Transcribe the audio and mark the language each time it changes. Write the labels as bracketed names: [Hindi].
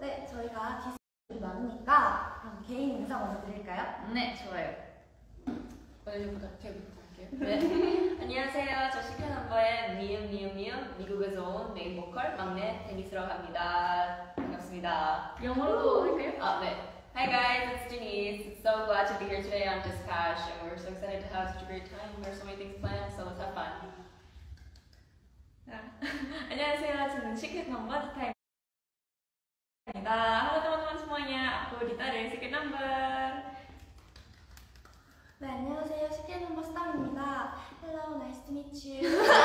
[Korean] 네, 저희가 디스플레이 많으니까 그럼 개인 인사 먼저 드릴까요? 네, 좋아요. 먼저 제가 부탁드릴게요. 네. 안녕하세요. 저 시크릿넘버의 미음. 미국에서 온 메인 보컬 막내 데니스라고 합니다. 반갑습니다. 영어로도 할까요? [English] 아, 네. Hi guys, it's Denise. So glad to be here today on Dispatch, and we're so excited to have such a great time. There's so many things planned, so let's have fun. [Korean] 안녕하세요. 저는 시크릿넘버 디타입니다. [English] Hello, everyone. 안녕하세요. [Korean] 앞으로 디타를 시크릿넘버. 네, 안녕하세요. 시크릿넘버 수담입니다. [English] Hello, nice to meet you.